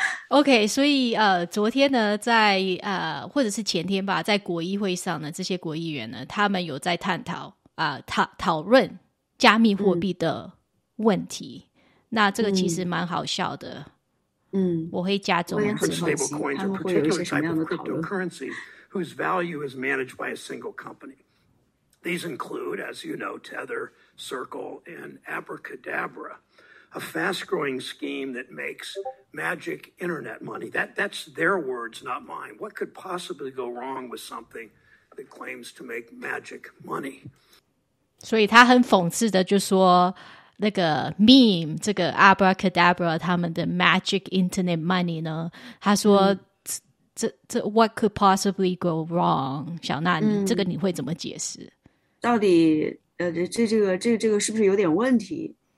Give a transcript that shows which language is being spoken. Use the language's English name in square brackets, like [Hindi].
[Chinese] OK， 所以昨天呢，在或者是前天吧，在国议会上呢，这些国议员呢，他们有在探讨讨论加密货币的问题。嗯、那这个其实蛮好笑的。嗯，我会加中文字。他们会有一些什么样的讨论 [English] ？Cryptocurrency whose value is managed by a single company. These include, as you know, Tether, Circle, and Abracadabra. A fast-growing scheme that makes magic internet money. That's their words, not mine. What could possibly go wrong with something that claims to make magic money? [Chinese] 所以他很讽刺的就说那个 meme, 这个 Abracadabra 他们的 [English] magic internet money [Chinese] 呢，他说、嗯、这 [English] what could possibly go wrong? [Chinese] 小娜、嗯、这个你会怎么解释？到底这个是不是有点问题？